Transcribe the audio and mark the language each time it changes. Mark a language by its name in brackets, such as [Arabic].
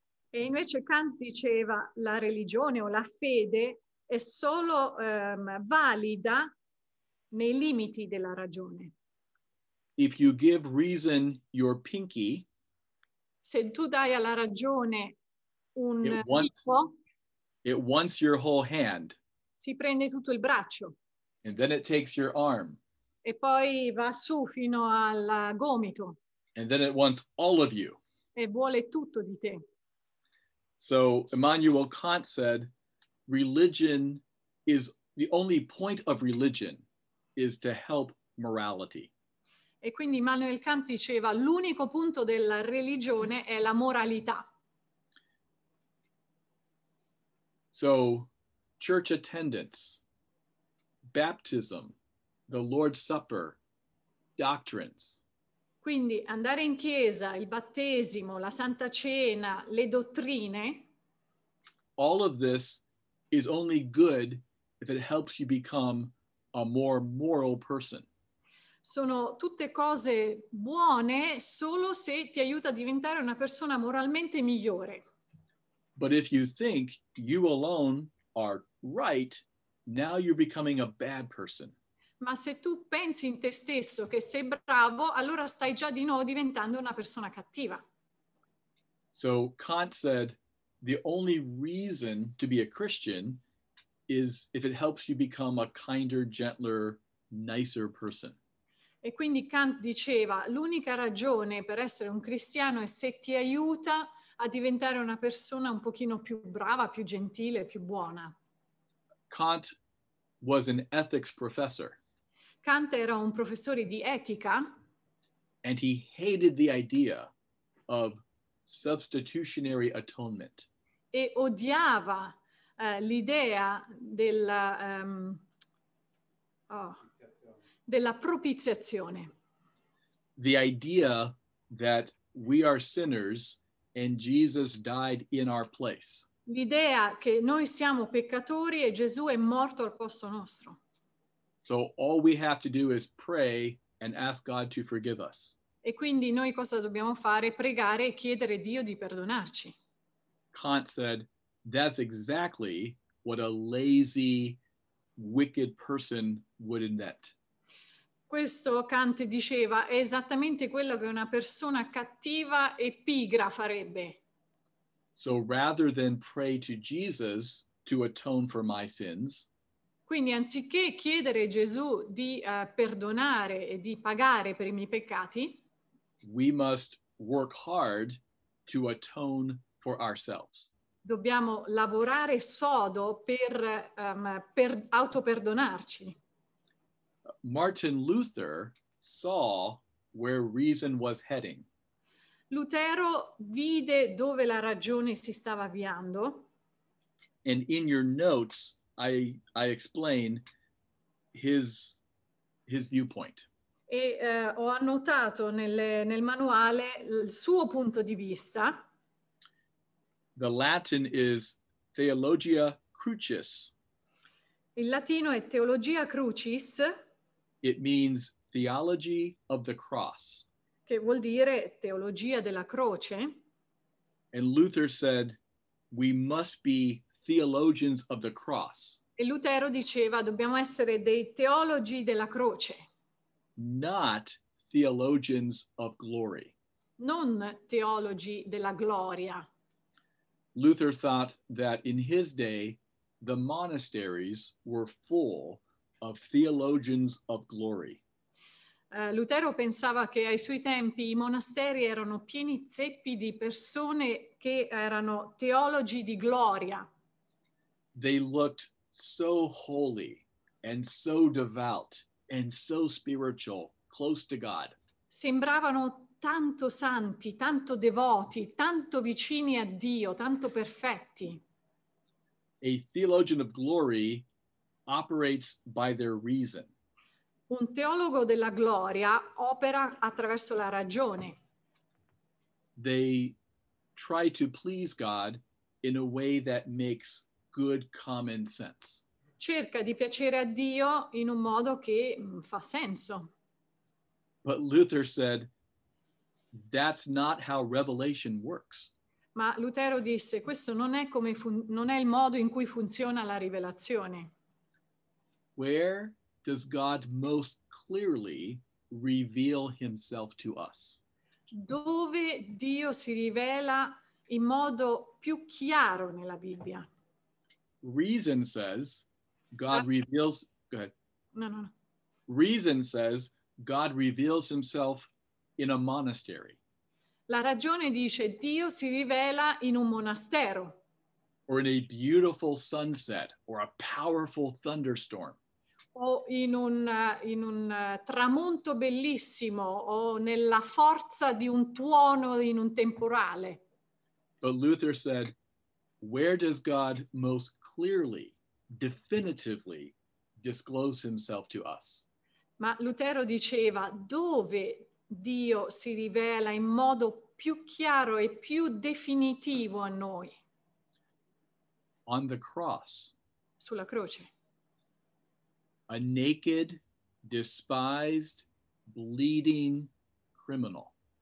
[Italian] E invece Kant diceva, la religione o la fede è solo valida nei limiti della ragione. [English] If you give reason your pinky, [Italian] se tu dai alla ragione un dito, [English] it wants your whole hand. [Italian] Si prende tutto il braccio. [English] And then it takes your arm. [Italian] E poi va su fino al gomito. [English] And then it wants all of you. [Italian] E vuole tutto di te. [English] So Immanuel Kant said, religion is the only point of religion is to help morality. [Italian] E quindi Immanuel Kant diceva l'unico punto della religione è la moralità. [English] So, church attendance, baptism, the Lord's Supper, doctrines. [Italian] Quindi andare in chiesa, il battesimo, la Santa Cena, le dottrine. [English] All of this is only good if it helps you become a more moral person. [Italian] Sono tutte cose buone solo se ti aiuta a diventare una persona moralmente migliore. [English] But if you think you alone are right, now you're becoming a bad person. [Italian] Ma se tu pensi in te stesso che sei bravo, allora stai già di nuovo diventando una persona cattiva. [English] So Kant said, the only reason to be a Christian is if it helps you become a kinder, gentler, nicer person. [Italian] E quindi Kant diceva, l'unica ragione per essere un cristiano è se ti aiuta a diventare una persona un pochino più brava, più gentile, più buona. [English] Kant was an ethics professor. [Italian] Kant era un professore di etica. [English] And he hated the idea of substitutionary atonement. [Italian] E odiava l'idea della... della propiziazione. [English] The idea that we are sinners and Jesus died in our place. [Italian] L'idea che noi siamo peccatori e Gesù è morto al posto nostro. [English] So all we have to do is pray and ask God to forgive us. [Italian] E quindi noi cosa dobbiamo fare? Pregare e chiedere Dio di perdonarci. [English] Kant said, that's exactly what a lazy, wicked person would invent. [Italian] Questo Kant diceva è esattamente quello che una persona cattiva e pigra farebbe. [English] So rather than pray to Jesus to atone for my sins, [Italian] quindi anziché chiedere a Gesù di perdonare e di pagare per i miei peccati, [English] we must work hard to atone for ourselves. [Italian] Dobbiamo lavorare sodo per autoperdonarci. [English] Martin Luther saw where reason was heading. [Italian] Lutero vide dove la ragione si stava avviando. [English] And in your notes, I explain his viewpoint. [Italian] E ho annotato nel manuale il suo punto di vista. [English] The Latin is Theologia Crucis. [Italian] Il latino è Theologia Crucis. [English] It means theology of the cross. [Italian] Che vuol dire teologia della croce. [English] And Luther said, we must be theologians of the cross. [Italian] E Lutero diceva, dobbiamo essere dei teologi della croce. [English] Not theologians of glory. [Italian] Non teologi della gloria. [English] Luther thought that in his day, the monasteries were full of theologians of glory. [Italian] Lutero pensava che ai suoi tempi i monasteri erano pieni zeppi di persone che erano teologi di gloria. [English] They looked so holy and so devout and so spiritual, close to God. [Italian] Sembravano tanto santi, tanto devoti, tanto vicini a Dio, tanto perfetti. [English] A theologian of glory operates by their reason. [Italian] Un teologo della gloria opera attraverso la ragione. [English] They try to please God in a way that makes good common sense. [Italian] Cerca di piacere a Dio in un modo che fa senso. [English] But Luther said, that's not how revelation works. [Italian] Ma Lutero disse, questo non è il modo in cui funziona la rivelazione. [English] Where does God most clearly reveal himself to us? [Italian] Dove Dio si rivela in modo più chiaro nella Bibbia? [English] Reason says God reveals... Go ahead. [Italian] No. [English] Reason says God reveals himself in a monastery. [Italian] La ragione dice Dio si rivela in un monastero. [English] Or in a beautiful sunset or a powerful thunderstorm. [Italian] O in un tramonto bellissimo o nella forza di un tuono in un temporale. [English] But Luther said, where does God most clearly, definitively disclose himself to us? [Italian] Ma Lutero diceva, dove Dio si rivela in modo più chiaro e più definitivo a noi? [English] On the cross. [Italian] Sulla croce. [English] A naked, despised, bleeding criminal.